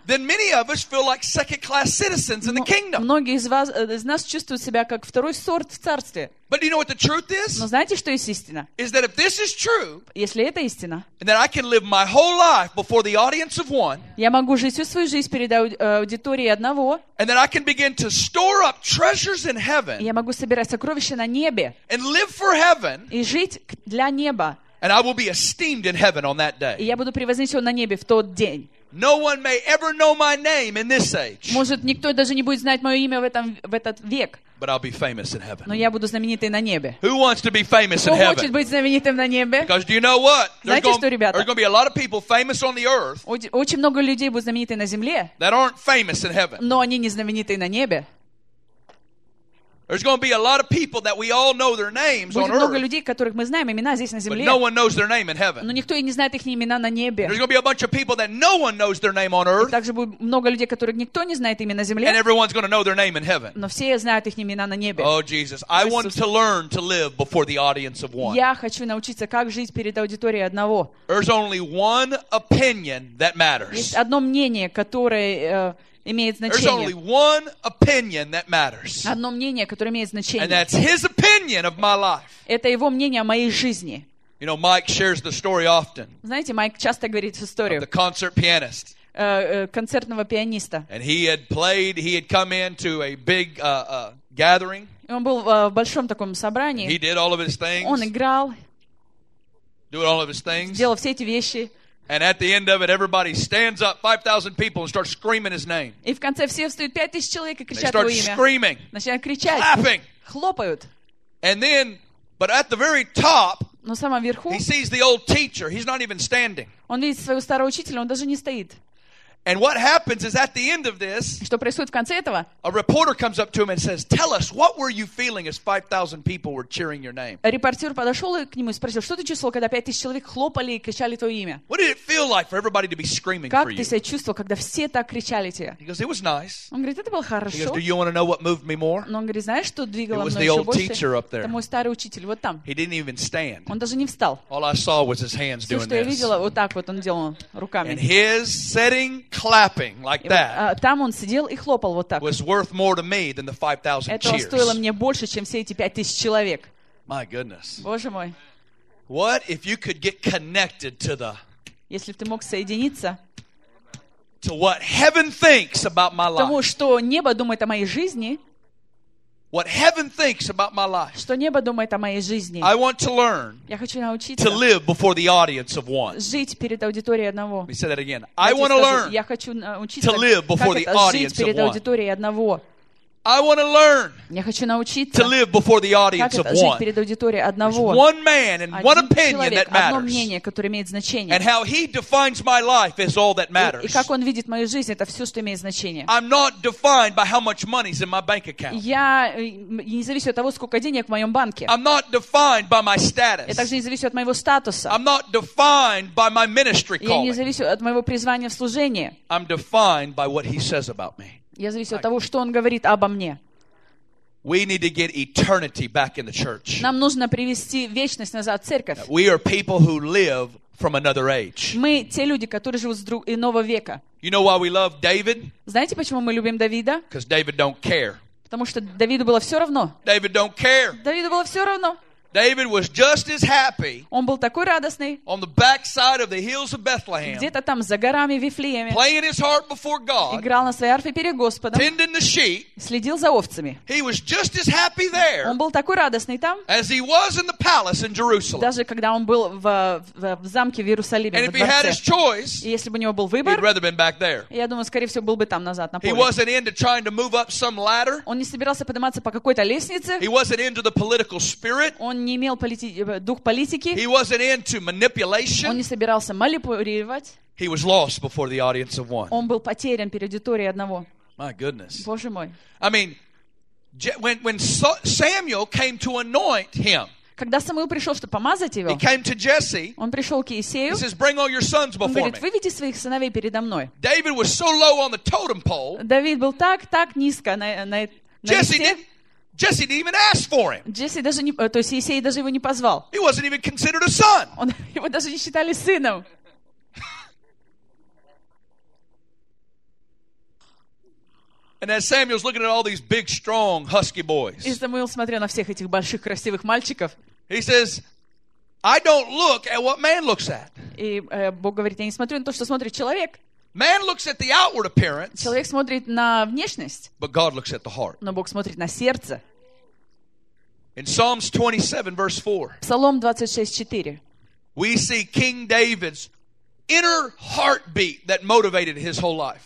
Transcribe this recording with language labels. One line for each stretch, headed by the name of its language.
English: then many of us feel like second-class citizens in the kingdom.
Russian: Многие из нас чувствуют себя как второй сорт в царстве.
English: But you know what the truth is?
Russian: Но знаете, что есть истина?
English: Is that if this is true,
Russian: если это истина,
English: and that I can live my whole life before the audience of one,
Russian: я могу жить всю свою жизнь перед аудиторией одного,
English: and that I can begin to store up treasures in heaven,
Russian: я могу собирать сокровища на небе,
English: and live for heaven,
Russian: и жить для неба,
English: and I will be esteemed in heaven on that day.
Russian: И я буду превознесен на небе в тот день.
English: No one may ever know my name in this age.
Russian: Может, никто даже не будет знать мое имя в этот век.
English: But I'll be famous in heaven.
Russian: Но я буду знаменитый на небе.
English: Who wants to be famous in heaven?
Russian: Кто хочет быть знаменитым на небе?
English: Because do you know what?
Russian: Знаете что, ребята?
English: There's going to be a lot of people famous on the earth.
Russian: Очень много людей будут знамениты на земле.
English: That aren't famous in heaven.
Russian: Но они не знамениты на небе.
English: There's going to be a lot of people that we all know their names on earth.
Russian: Будет много людей, которых мы знаем имена здесь на земле.
English: But no one knows their name in heaven.
Russian: Но никто и не знает их имена на небе.
English: There's going to be a bunch of people that no one knows their name on earth.
Russian: Также будет много людей, которых никто не знает имена на земле.
English: And everyone's going to know their name in heaven.
Russian: Но все знают их имена на небе.
English: Oh Jesus, I want to learn to live before the audience of one.
Russian: Я хочу научиться, как жить перед аудиторией одного.
English: There's only one opinion that matters.
Russian: Есть одно мнение, которое имеет значение.
English: There's only one opinion that matters.
Russian: Одно мнение, которое имеет значение.
English: And that's his opinion of my life.
Russian: Это его мнение о моей жизни.
English: You know, Mike shares the story often.
Russian: Знаете, Майк часто говорит историю.
English: Of the concert pianist.
Russian: Концертного пианиста.
English: And he had played. He had come into a big gathering.
Russian: Он был в большом таком собрании.
English: He did all of his things.
Russian: Он играл.
English: Doing all of his things.
Russian: Делал все эти вещи.
English: And at the end of it, everybody stands up, 5,000 people, and starts screaming his name.
Russian: И в конце все встают 5,000 человек и кричат его имя.
English: They start screaming.
Russian: Начинают кричать.
English: Clapping.
Russian: Хлопают.
English: And then, but at the very top.
Russian: Но в самом верху.
English: He sees the old teacher. He's not even standing.
Russian: Он видит своего старого учителя. Он даже не стоит.
English: And what happens is at the end of this.
Russian: Что происходит в конце этого?
English: A reporter comes up to him and says, "Tell us, what were you feeling as 5,000 people were cheering your name?"
Russian: Репортер подошел к нему и спросил, что ты чувствовал, когда 5,000 человек хлопали и кричали твое имя?
English: What did it feel like for everybody to be screaming
Russian: как
English: for you?
Russian: Как ты себя чувствовал, когда все так кричали тебе?
English: He goes, "It was nice."
Russian: Он говорит, это было хорошо.
English: He goes, "Do you want to know what moved me more?"
Russian: Но он говорит, знаешь, что двигало мной больше?
English: It was the old teacher up there.
Russian: Это мой старый учитель вот там.
English: He didn't even stand.
Russian: Он даже не встал.
English: All I saw was his hands doing this.
Russian: Все, что я видела, вот так вот он делал руками.
English: And his setting. Clapping like that.
Russian: Там он сидел и хлопал вот так.
English: Was worth more to me than the 5,000 cheers.
Russian: Это стоило мне больше, чем все эти 5,000 человек.
English: My goodness.
Russian: Боже мой.
English: What if you could get connected to the?
Russian: Если бы ты мог соединиться.
English: To what heaven thinks about my life.
Russian: Тому, что небо думает о моей жизни.
English: What heaven thinks about my life.
Russian: Что небо думает о моей жизни.
English: I want to learn.
Russian: Я хочу научиться.
English: To live before the audience of one.
Russian: Жить перед аудиторией одного.
English: Let me say that again. I want to learn.
Russian: Я хочу научиться.
English: To live before the audience of one.
Russian: Жить перед аудиторией одного.
English: I want to learn.
Russian: Я хочу научиться.
English: To live before the audience of one.
Russian: Жить перед аудиторией одного.
English: One man and one opinion that matters.
Russian: Одно мнение, которое имеет значение.
English: And how he defines my life is all that matters.
Russian: И как он видит мою жизнь, это все, что имеет значение.
English: I'm not defined by how much money's in my bank account.
Russian: Я не зависит от того, сколько денег в моем банке.
English: I'm not defined by my status.
Russian: Я также не зависит от моего статуса.
English: I'm not defined by my ministry calling.
Russian: Я не зависит от моего призвания в служении.
English: I'm defined by what he says about me.
Russian: Я зависит от того, что он говорит обо мне.
English: We need to get eternity back in the church.
Russian: Нам нужно привести вечность назад в церковь.
English: We are people who live from another age.
Russian: Мы те люди, которые живут с иного века.
English: You know why we love David?
Russian: Знаете, почему мы любим Давида?
English: Because David don't care.
Russian: Потому что Давиду было все равно.
English: David don't care.
Russian: Давиду было все равно.
English: David was just as happy.
Russian: Он был такой радостный.
English: On the backside of the hills of Bethlehem.
Russian: Где-то там за горами Вифлееме.
English: Playing his harp before God.
Russian: Играл на своей арфе перед Господом.
English: Tending the sheep.
Russian: Следил за овцами.
English: He was just as happy there.
Russian: Он был такой радостный там.
English: As he was in the palace in Jerusalem.
Russian: Даже когда он был в замке в Иерусалиме.
English: And if he had his choice.
Russian: Если бы у него был выбор.
English: He'd rather been back there.
Russian: Я думаю, скорее всего, был бы там назад на поле.
English: He wasn't into trying to move up some ladder.
Russian: Он не собирался подниматься по какой-то лестнице.
English: He wasn't into the political spirit.
Russian: Не имел дух политики.
English: He wasn't into manipulation.
Russian: Он не собирался манипулировать.
English: He was lost before the audience of one.
Russian: Он был потерян перед аудиторией одного.
English: My goodness.
Russian: Боже мой.
English: I mean, when Samuel came to anoint him,
Russian: когда Самуил пришел, чтобы помазать его,
English: he came to Jesse,
Russian: он пришел к Иессею,
English: he says, "Bring all your sons before
Russian: он говорит,
English: me."
Russian: Выведи своих сыновей передо мной.
English: David was so low on the totem pole.
Russian: Давид был так низко на
English: Jesse did. Jesse didn't even ask for him.
Russian: Jesse даже не, то есть Иессей даже его не позвал.
English: He wasn't even considered a son.
Russian: Он его даже не считали сыном.
English: And as Samuel's looking at all these big, strong, husky boys.
Russian: И Самуил смотрел на всех этих больших, красивых мальчиков.
English: He says, "I don't look at what man looks at."
Russian: И Бог говорит, я не смотрю на то, что смотрит человек.
English: Man looks at the outward appearance.
Russian: Человек смотрит на внешность.
English: But God looks at the heart.
Russian: Но Бог смотрит на сердце.
English: In Psalms 27 verse 4.
Russian: Псалом 26:4.
English: We see King David's inner heartbeat that motivated his whole life.